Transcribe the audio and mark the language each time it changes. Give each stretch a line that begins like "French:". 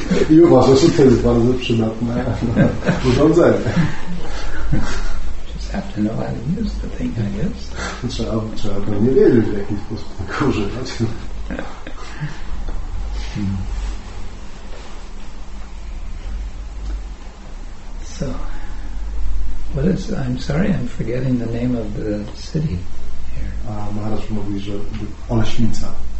Polish: I uważa, że to jest bardzo przydatne urządzenie.
English: Just have to know how to use the thing, I guess.
Polish: Trzeba pewnie wiedzieć, w jaki sposób tego używać.
English: So, what is, I'm sorry, I'm forgetting the name of the city here.
Polish: Maharaj mówi, że Oleśnica.